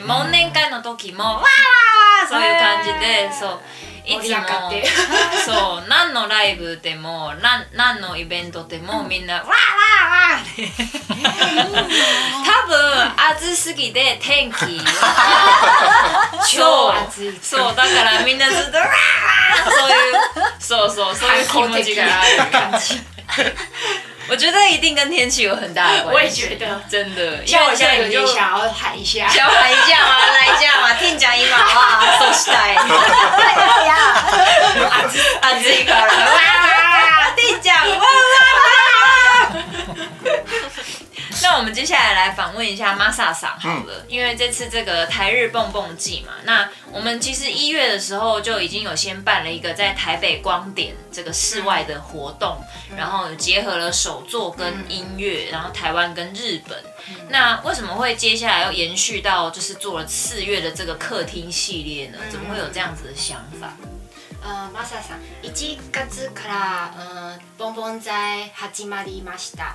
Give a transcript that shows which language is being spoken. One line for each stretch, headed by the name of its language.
Japanese: 忘年会の時もわあそういう感じで、そういつもそう何のライブでも何のイベントでもみんなわあわあわあ。多分暑すぎて天気超暑い。そうだからみんなずっとわあそういうそうそうそういう気持ちがある感じ。
Chinese: 我觉得一定跟天气有很大的关系。我也觉得，真的。像我现在有就想要喊一下，想喊一下嘛，来一下嘛，听讲一嘛，哇，好期待！对呀，阿志阿志哥，哇，听讲，哇哇哇！那我们接下来来访问一下 Masa 桑好了，因为这次这个台日蹦蹦季嘛，那我们其实一月的时候就已经有先办了一个在台北光点这个室外的活动，然后结合了手作跟音乐，然后台湾跟日本。那为什么会接下来要延续到就是做了四月的这个客厅系列呢？怎么会有这样子的想法？
Japanese: マサさん、1月からボンボン祭始まりました。